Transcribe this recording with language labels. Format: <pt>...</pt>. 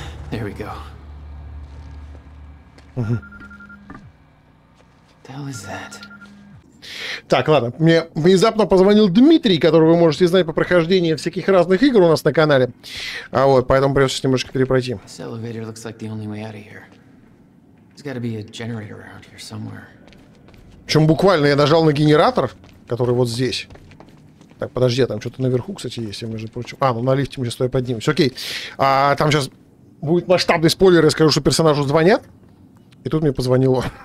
<en>There we go. The hell is that?</en> <ru>Так, ладно. Мне внезапно позвонил Дмитрий, которого вы можете знать по прохождению всяких разных игр у нас на канале. А вот, поэтому придется немножко перепройти.</ru> <en>This elevator looks like the only way out of here. There's got to be a generator around here somewhere.</en> <ru>Причем буквально я нажал на генератор, который вот здесь. Так, подожди, там что-то наверху, кстати, есть, я, между прочим. А, ну на лифте мы сейчас стоим, поднимемся. Окей. А, там сейчас будет масштабный спойлер, я скажу, что персонажу звонят. И тут мне позвонило.</ru>